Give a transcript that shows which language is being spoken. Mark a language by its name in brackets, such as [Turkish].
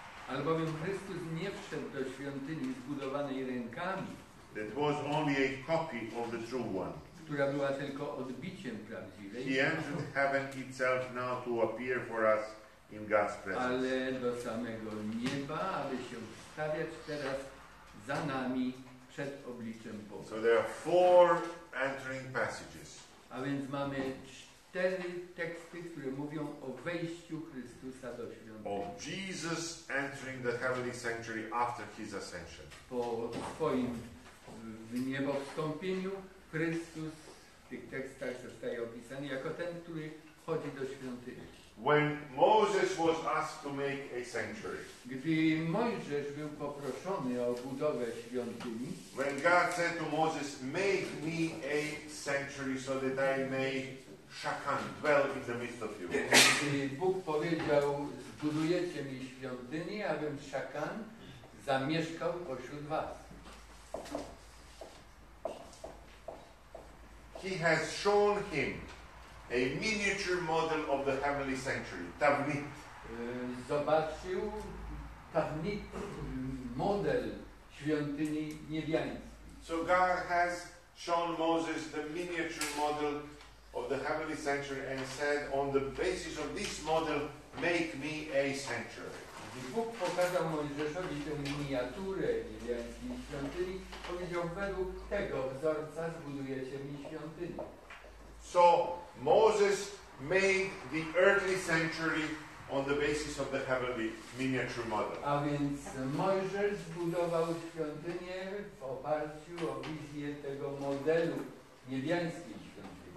[Polish] Albowiem Chrystus nie wszedł do świątyni zbudowanej rękami. [English] That was only a copy of the true one. [Polish] Która była tylko odbiciem prawdziwej. [English] He entered heaven itself now to appear for us in God's presence. [Polish] Ale do samego nieba, aby się wstawiać teraz za nami. Przed obliczem Boga. [English] So there are four entering passages. [Polish] A więc mamy cztery teksty, które mówią o wejściu Chrystusa do świątyni. [English] Of Jesus entering the heavenly sanctuary after his ascension. [Polish] Po swoim wniebowstąpieniu Chrystus w tych tekstach zostaje opisany jako ten, który wchodzi do świątyni. [English] When Moses was asked to make a sanctuary. [Polish] Gdy Mojżesz był poproszony o budowę świątyni. [English] When God said to Moses, make me a sanctuary so that I may shakan, dwell in the midst of you. [Polish] Gdy Bóg powiedział, zbudujecie mi świątyni, abym szakan zamieszkał pośród was. [English] He has shown him a miniature model of the heavenly sanctuary, tabnit. [Polish] Zobaczył tabnit, model świątyni niebiańskiej. [English] So God has shown Moses the miniature model of the heavenly sanctuary and said, on the basis of this model, make me a sanctuary. [Polish] Gdy Bóg pokazał Mojżeszowi tę miniaturę niebiańskiej świątyni, powiedział, według tego wzorca zbudujecie mi świątyni. [English] So Moses made the earthly sanctuary on the basis of the heavenly miniature model. [Polish] A więc Mojżesz zbudował świątynię w oparciu o wizję tego modelu niebiańskiej świątyni.